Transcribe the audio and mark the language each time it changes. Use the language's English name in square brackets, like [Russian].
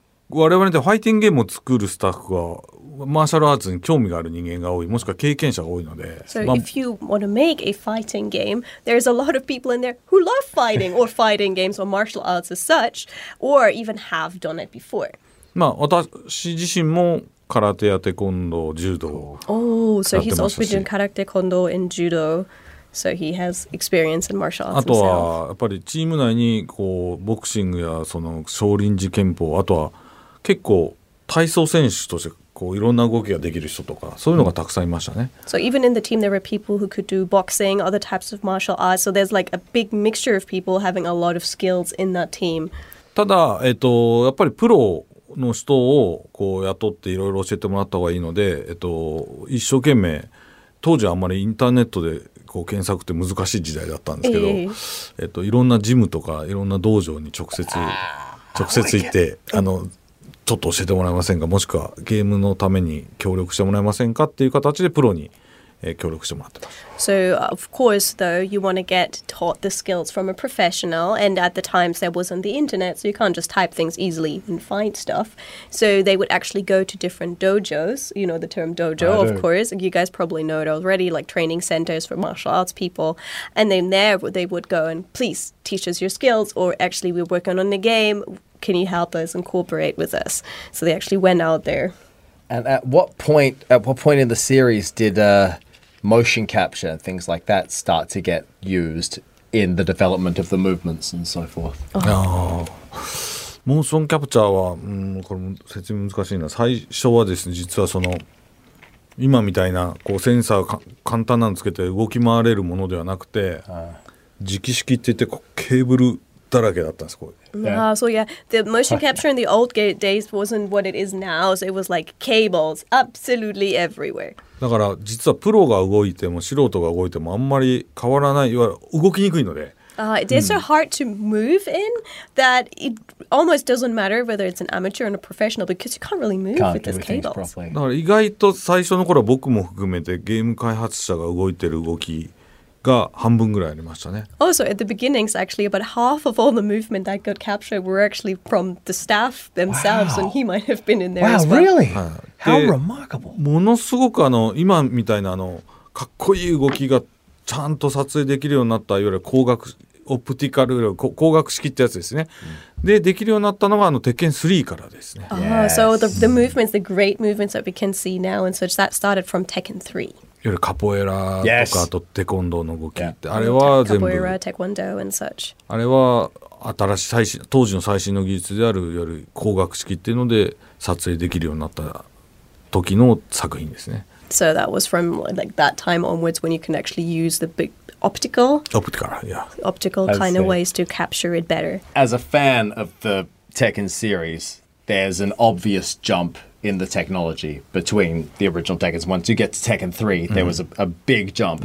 [Japanese] それ両方あって、我々でファイティングゲームを作るスタッフは マーシャルアーツに興味がある人間が多い、もしくは経験者が多いので。 [English] So if you want to make a fighting game, there's a lot of people in there who love fighting or fighting games or martial arts as such, or even have done it before. [Japanese] まあ、私自身も空手やテコンドー、柔道。 [English] Oh, so he's also doing karate, kondo, and judo. So he has experience in martial arts. [Japanese] あとはやっぱりチーム内にこうボクシングやその少林寺拳法、あとは結構体操選手として [English] So even in the team, there were people who could do boxing, other types of martial arts. So there's like a big mixture of people having a lot of skills in that team. [Japanese] ただ、やっぱりプロの人をこう雇っていろいろ教えてもらった方がいいので、一生懸命、当時はあんまりインターネットでこう検索って難しい時代だったんですけど、いろんなジムとかいろんな道場に直接行って、ちょっと教えてもらえませんか、もしくはゲームのために協力してもらえませんかっていう形でプロに協力してもらってます。 [English] So of course though you want to get taught the skills from a professional, and at the time there wasn't the internet, so you can't just type things easily and find stuff. So they would actually go to different dojos, you know the term dojo, of course you guys probably know it already, like training centers for martial arts people, and then there they would go and please teach us your skills, or actually we're working on the game, can you help us and cooperate with us. So they actually went out there. And at what point in the series did motion capture and things like that start to get used in the development of the movements and so forth? [Japanese] Motion capture は、これも説明難しいな。最初はですね、実はその今みたいなこうセンサーを簡単なのつけて動き回れるものではなくて、磁気式って言ってこうケーブルだらけだったんです。 [English] So yeah, the motion capture in the old days wasn't what it is now. So it was like cables absolutely everywhere. [Japanese] だから実はプロが動いても素人が動いてもあんまり変わらない、いわゆる動きにくいので。 [English] It's so hard to move in that it almost doesn't matter whether it's an amateur or a professional because you can't really move with these cables. [Japanese] だから意外と最初の頃は僕も含めてゲーム開発者が動いてる動きが半分ぐらいありましたね。 [English] Also, at the beginnings, actually, about half of all the movement that got captured were actually from the staff themselves, and he might have been in there as well. Wow, really? How remarkable! [Japanese] ものすごく今みたいなかっこいい動きがちゃんと撮影できるようになった、いわゆる光学オプティカル光学式ってやつですね。でできるようになったのが鉄拳3からですね。 [English] So the movements, the great movements that we can see now and such, that started from Tekken 3. [Japanese] いわゆるカポエラとか、あとテコンドーの動きって、あれは全部、 [English] テコンドー and such。 [Japanese] あれは新しい最新、当時の最新の技術であるいわゆる光学式っていうので撮影できるようになった時の作品ですね。 [English] So that was from like that time onwards when you can actually use the big optical, optical, yeah, optical kind of ways to capture it better. As a fan of the Tekken series, there's an obvious jump. In the technology between the original Tekken 1 to get to Tekken 3, there was a big jump.